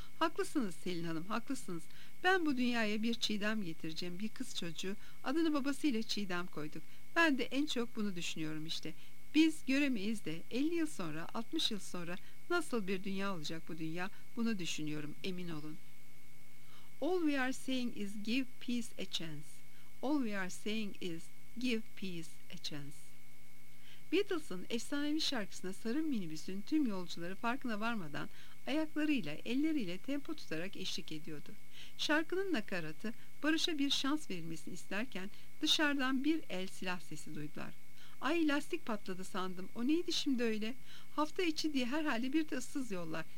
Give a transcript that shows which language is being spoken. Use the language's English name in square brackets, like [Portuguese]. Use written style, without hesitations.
[Turkish] Haklısınız Selin Hanım, haklısınız. Ben bu dünyaya bir Çiğdem getireceğim, bir kız çocuğu. Adını babasıyla Çiğdem koyduk. Ben de en çok bunu düşünüyorum işte. Biz göremeyiz de 50 yıl sonra, 60 yıl sonra nasıl bir dünya olacak bu dünya, bunu düşünüyorum, emin olun. [English] All we are saying is give peace a chance. All we are saying is give peace a chance. [Turkish] Beatles'ın efsanevi şarkısına sarı minibüsün tüm yolcuları farkına varmadan ayaklarıyla, elleriyle tempo tutarak eşlik ediyordu. Şarkının nakaratı barışa bir şans verilmesini isterken dışarıdan bir el silah sesi duydular. Ay lastik patladı sandım. O neydi şimdi öyle? Hafta içi diye herhalde bir de ıssız yollar.